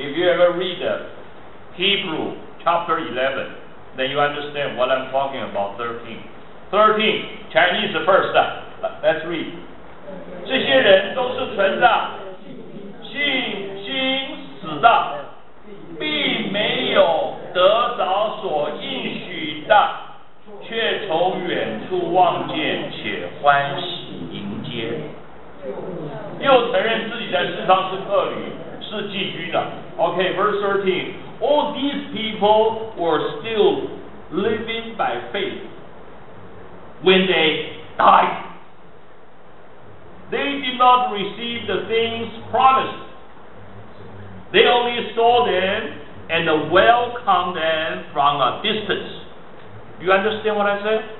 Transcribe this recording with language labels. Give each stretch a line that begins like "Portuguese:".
English: If you ever read Hebrew chapter 11, then you understand what I'm talking about, 13. Chinese first. Let's read.
Chinese: 这些人都是存着信心死的，并没有得着所应许的，却从远处望见，且欢喜迎接。又承认自己在世上是客旅，是寄居的。
English: OK, verse 13. All these people were still living by faith when they died. They did not receive the things promised. They only saw them and welcomed them from a distance. You understand what I said?